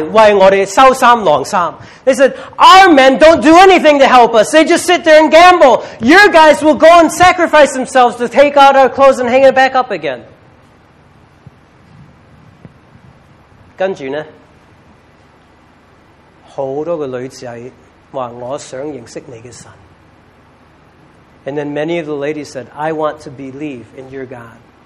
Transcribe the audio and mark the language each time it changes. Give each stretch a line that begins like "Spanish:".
Chinese: 他说,你每天这样做,我们的男人就是坐在那里,什么都不动,完全不帮我们的。你们的男人是不惜一起为我们收衣服晾衣服。
English: They said, our men don't do anything to help us. They just sit there and gamble. Your guys will go and sacrifice themselves to take out our clothes and hang it back up again.
Chinese: 接着呢,很多的女子说,我想认识你的神。
English: And then many of the ladies said, I want to believe in your God.